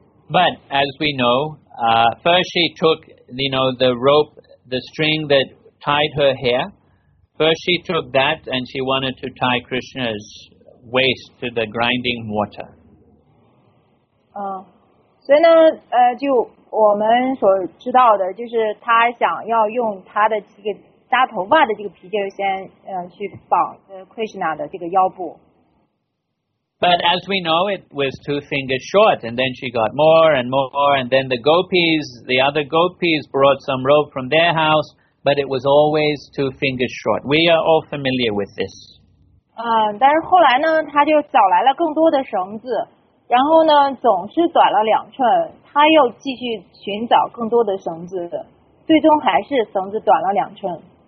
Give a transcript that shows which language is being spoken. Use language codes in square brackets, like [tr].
[en] But as we know, first she took, you know, the rope, the string that tied her hair. First she took that, and she wanted to tie Krishna's. Waste to the grinding water. [zh] 所以呢，就我们所知道的，就是他想要用他的这个扎头发的这个皮筋先，去绑Krishna的这个腰部。 [en] But as we know, it was 2 fingers short, and then she got more and more, and then the other gopis brought some rope from their house, but it was always 2 fingers short. We are all familiar with this. [zh] 但是后来呢，他就找来了更多的绳子，然后呢，总是短了2寸。他又继续寻找更多的绳子，最终还是绳子短了2寸。